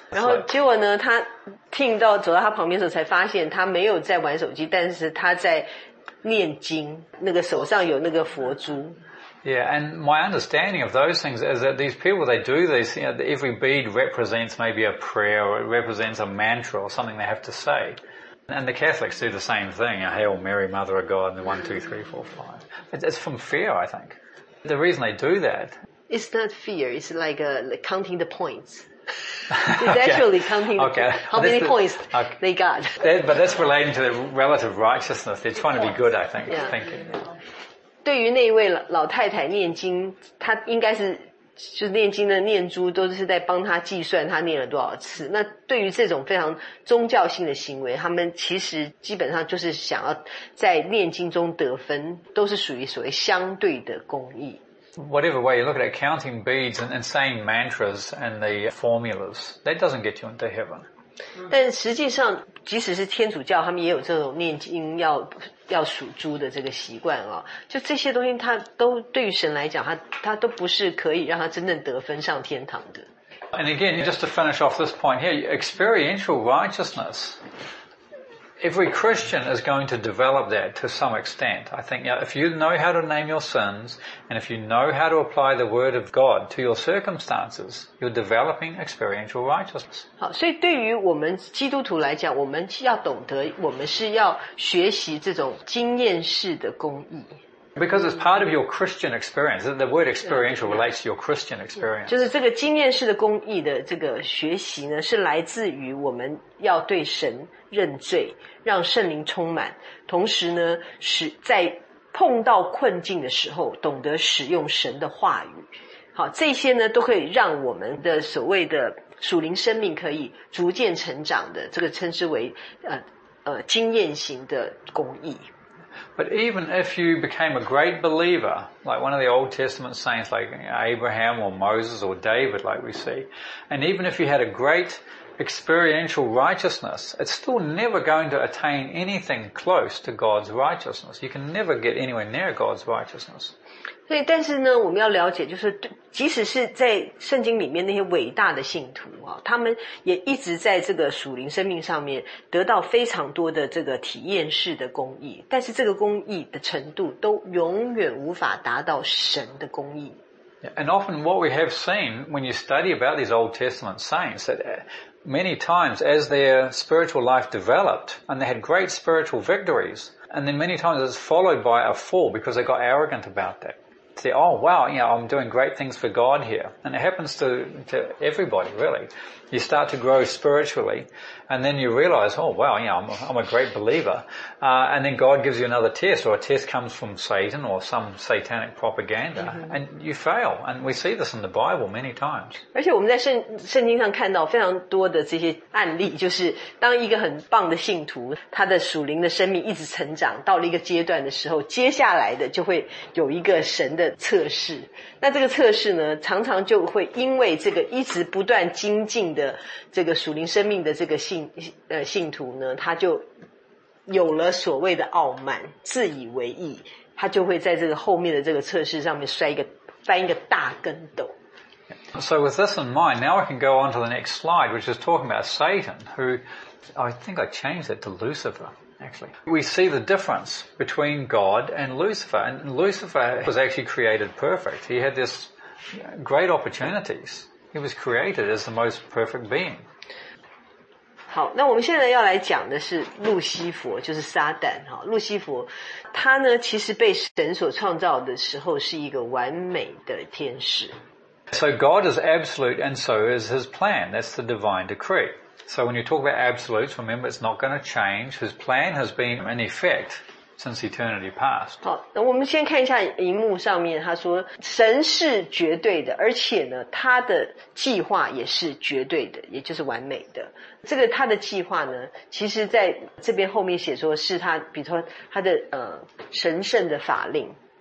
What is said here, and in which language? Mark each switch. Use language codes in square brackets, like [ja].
[zh] 然后结果呢，她听到走到她旁边的时候，才发现她没有在玩手机，但是她在念经，那个手上有那个佛珠。 [en] Yeah, and my understanding of those things is that these people, they do this, you know, every bead represents maybe a prayer or it represents a mantra or something they have to say. And the Catholics do the same thing, you know, Hail Mary, Mother of God, and the 1, 2, 3, 4, 5. It's from fear, I think. The reason they do that... It's not fear, it's like, counting the points. It's actually counting how many points they got. That, but that's relating to the relative righteousness. They're trying to be good, I think, thinking. Yeah. [zh] 对于那位老太太念经，她应该是就是念经的念珠都是在帮她计算她念了多少次。那对于这种非常宗教性的行为，他们其实基本上就是想要在念经中得分，都是属于所谓相对的公义。 [en] Whatever way you look at it, counting beads and saying mantras and the formulas, that doesn't get you into heaven. [zh] 但实际上，即使是天主教，他们也有这种念经要属猪的这个习惯啊，就这些东西，它都对于神来讲，它都不是可以让它真正得分上天堂的。 [en] And again, just to finish off this point here, experiential righteousness. Every Christian is going to develop that to some extent. I think, you know, if you know how to name your sins and if you know how to apply the word of God to your circumstances, you're developing experiential righteousness. [zh] 好，所以对于我们基督徒来讲，我们要懂得，我们是要学习这种经验式的公义。 Because it's part of your Christian experience. The word experiential relates to your Christian experience. 就是这个经验式的公义的这个学习呢，是来自于我们要对神认罪，让圣灵充满，同时呢，使在碰到困境的时候，懂得使用神的话语。好，这些呢，都可以让我们的所谓的属灵生命可以逐渐成长的，这个称之为经验型的公义。 [en] But even if you became a great believer, like one of the Old Testament saints like Abraham or Moses or David, like we see, and even if you had a great experiential righteousness, it's still never going to attain anything close to God's righteousness. You can never get anywhere near God's righteousness. [zh] 对，但是呢，我们要了解，就是即使是在圣经里面那些伟大的信徒啊，他们也一直在这个属灵生命上面得到非常多的这个体验式的公义，但是这个公义的程度都永远无法达到神的公义。 [en] And often what we have seen when you study about these Old Testament saints that many times as their spiritual life developed and they had great spiritual victories and then many times it's followed by a fall because they got arrogant about that. Say, oh wow, you know, I'm doing great things for God here. And it happens to everybody really. You start to grow spiritually and then you realize, oh wow, you know, I'm a great believer. And then God gives you another test or a test comes from Satan or some satanic propaganda and you fail. And we see this in the Bible many times. [zh] 而且我们在圣经上看到非常多的这些案例，就是当一个很棒的信徒，他的属灵的生命一直成长到了一个阶段的时候，接下来的就会有一个神的测试。那这个测试呢，常常就会因为这个一直不断精进的这个属灵生命的这个信徒呢，他就有了所谓的傲慢，自以为意，他就会在这个后面的这个测试上面翻一个大跟斗。 [en] So with this in mind, now I can go on to the next slide, which is talking about Satan, who I think I changed it to Lucifer. Actually, we see the difference between God and Lucifer, and Lucifer was actually created perfect. He had this great opportunities. He was created as the most perfect being. [zh] 好，那我们现在要来讲的是路西佛，就是撒旦。路西佛，他呢，其实被神所创造的时候是一个完美的天使。 [en] So God is absolute, and so is His plan. That's the divine decree. So when you talk about absolutes, remember it's not going to change. His plan has been in effect since eternity past. [zh] 好，那我们先看一下荧幕上面，他说神是绝对的，而且呢，他的计划也是绝对的，也就是完美的。这个他的计划呢，其实在这边后面写说是他，比如说他的神圣的法令。